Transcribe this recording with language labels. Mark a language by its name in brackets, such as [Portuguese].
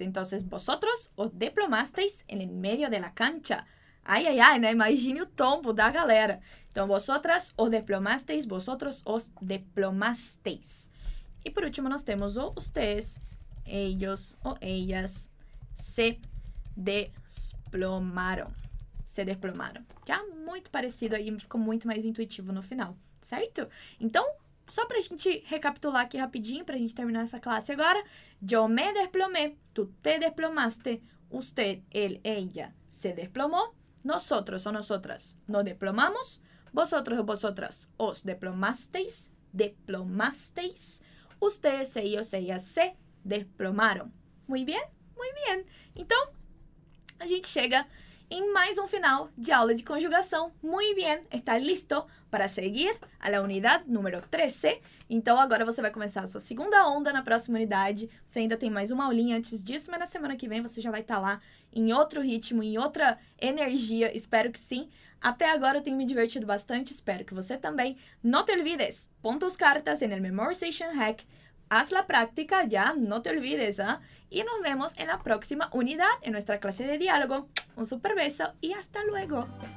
[Spanish] Entonces, vosotros os desplomasteis en medio de la cancha. [Portuguese] Ai, ai, ai, né? Imagine o tombo da galera. Então, [Spanish] vosotras os desplomasteis, vosotros os desplomasteis. [Portuguese] E por último, nós temos o ustedes, ellos ou ellas, se desplomaram. Se desplomaram. Já muito parecido aí, ficou muito mais intuitivo no final, certo? Então, só pra gente recapitular aqui rapidinho, pra gente terminar essa classe agora. [Spanish] Yo me desplomé, tú te desplomaste, usted, él, ella se desplomó. Nosotros o nosotras nos desplomamos. Vosotros o vosotras os desplomasteis, desplomasteis. Ustedes, ellos, ellas se desplomaron. Muy bien, muy bien. [Portuguese] Então, a gente chega em mais um final de aula de conjugação. [Spanish] Muy bien, está listo para seguir a la unidad número 13. [Portuguese] Então, agora você vai começar a sua segunda onda na próxima unidade. Você ainda tem mais uma aulinha antes disso, mas na semana que vem você já vai estar lá em outro ritmo, em outra energia. Espero que sim. Até agora eu tenho me divertido bastante. Espero que você também. [Spanish] No te olvides, pon tus cartas en el memorization hack. Haz la práctica ya, no te olvides, ¿ah? Y nos vemos en la próxima unidad, en nuestra clase de diálogo. Un super beso y hasta luego.